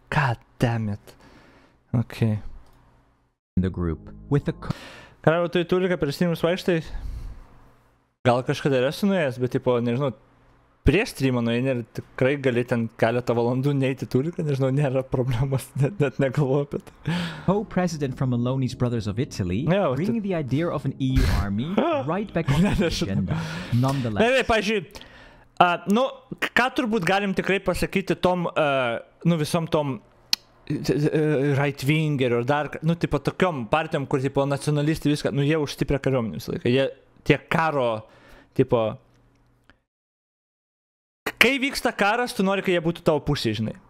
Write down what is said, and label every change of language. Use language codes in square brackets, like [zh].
[en] God damn it. Okay. The group. With the... [lt] Karavo, tu į tūliką per streamus vaikštai? Gal kažkada ir esu nuėjęs, bet tipo, nežinau, prieš streamą nuėjai ir tikrai gali ten keletą valandų neiti tūliką, nežinau, nėra problemas, net negalvoju apie tai. [en] Co-president from Maloney's Brothers of Italy, bringing the idea of an EU army right back on the agenda, nonetheless. [lt] Ne, pažiūrėjau, nu, ką turbūt galim tikrai pasakyti tom, nu, visom tom right-winger ir dar, nu, tipo, tokiom partijom, kur, tipo, nacionalistai viską, nu, jie užstiprė kariuomenį visą laiką, jie tie karo, tipo, kai vyksta karas, tu nori, kad jie būtų tavo pusė, žinai.